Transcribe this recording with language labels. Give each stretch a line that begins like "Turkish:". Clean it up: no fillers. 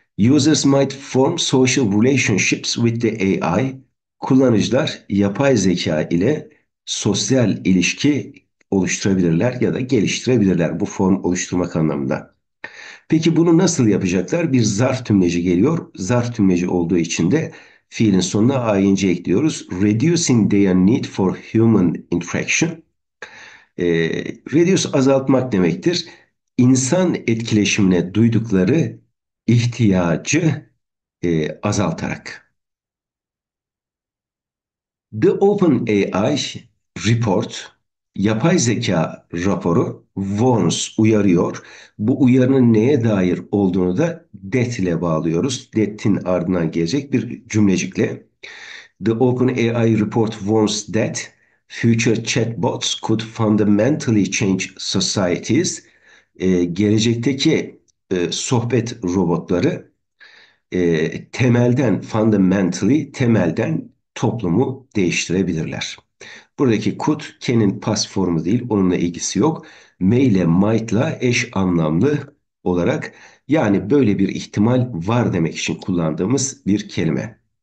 English: Users might form social relationships with the AI.
Turkish: Kullanıcılar yapay zeka ile sosyal ilişki oluşturabilirler ya da geliştirebilirler bu form oluşturmak anlamında. Peki bunu nasıl yapacaklar? Bir zarf tümleci geliyor. Zarf tümleci olduğu için de fiilin sonuna ing ekliyoruz.
English: Reducing their need for human interaction.
Turkish: Reduce azaltmak demektir. İnsan etkileşimine duydukları ihtiyacı azaltarak.
English: The OpenAI report,
Turkish: yapay zeka raporu
English: warns,
Turkish: uyarıyor. Bu uyarının neye dair olduğunu da that ile bağlıyoruz. That'in ardından gelecek bir cümlecikle.
English: The OpenAI report warns that future chatbots could fundamentally change societies.
Turkish: Gelecekteki sohbet robotları temelden, fundamentally temelden toplumu değiştirebilirler. Buradaki could, can'in past formu değil, onunla ilgisi yok. May ile might'la eş anlamlı olarak, yani böyle bir ihtimal var demek için kullandığımız bir kelime.